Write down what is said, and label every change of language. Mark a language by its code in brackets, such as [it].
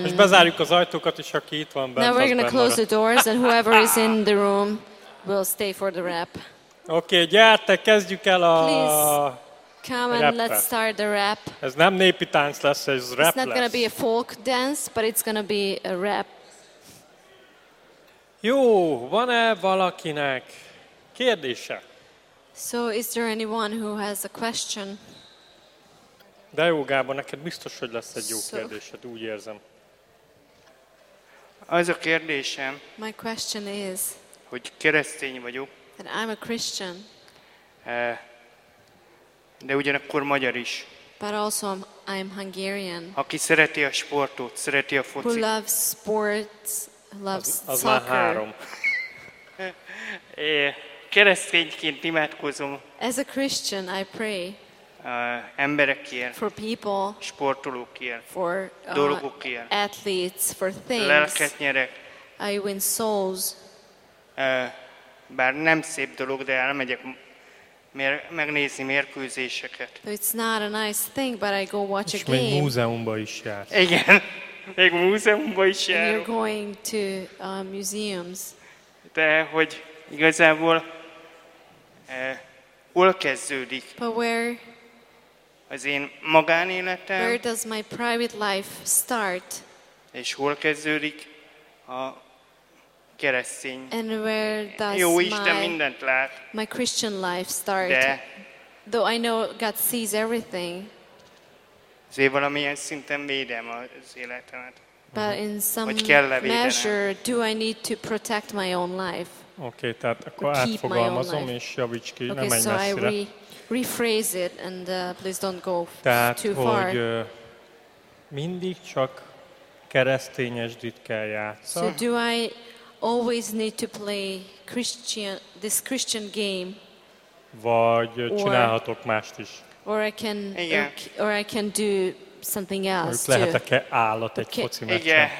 [hu] Most bezárjuk az ajtókat, és aki itt van bent, [en] now we're gonna close the doors, and whoever is in the room will stay for the rap. [hu] Oké, gyertek, kezdjük el a [en] Please, come and rap-t. Let's start the rap. [hu] Ez nem népi tánc lesz, ez rap lesz. [en] It's not gonna be a folk dance, but it's gonna be a rap. [hu] Jó, van-e valakinek kérdése? [en] So, is there anyone who has a question? [hu] De jó, Gábor, neked biztos, hogy lesz egy jó kérdésed, úgy érzem. Az a kérdésem, [en] my question is, [hu] hogy keresztény vagyok, [en] that I'm a Christian, [hu] de ugyanakkor magyar is. [en] But also I'm Hungarian. [hu] Aki szereti a sportot, szereti a focit. [en] Who loves sports, loves [hu] az [en] soccer. [hu] Az már három. Keresztényként imádkozom. [en] As a Christian, I pray. [hu] Emberekért, [en] for people, [hu] sportolókért, [en] for [hu] dolgokért, [en] athletes, for things, [hu] lelket nyerek, [en] I win souls. [hu] Bár nem szép dolog, de elmegyek megnézni mérkőzéseket. [en] So it's not a nice thing, but I go watch [hu] és [en] a game. [hu] És még múzeumban is jár. Igen, még múzeumban is jár. [en] You're going to museums. [hu] De hogy igazából hol kezdődik? [en] But where? [hu] Az én magánéletem. [en] Where does my private life start? [hu] És hol kezdődik a keresztény? [en] And where does [hu] jó Isten mindent lát. [en] My Christian life start? [hu] De, [en] though I know God sees everything. [hu] Azért valamilyen szinten védem az életemet. [en] But in some measure, do I need to protect my own life? [hu] Oké, okay, tehát akkor átfogalmazom és javíts ki, [en] okay, [hu] nem menj [en] so [hu] messzire. [en] Rephrase it and please don't go [hu] tehát, [en] too far. [hu] Hogy mindig csak keresztényesdit kell játszani. [en] So do I always need to play this Christian game? [hu] Vagy csinálhatok mást is. [en] Or I can do something else. [hu] Vagy lehetek-e állat egy foci meccsen?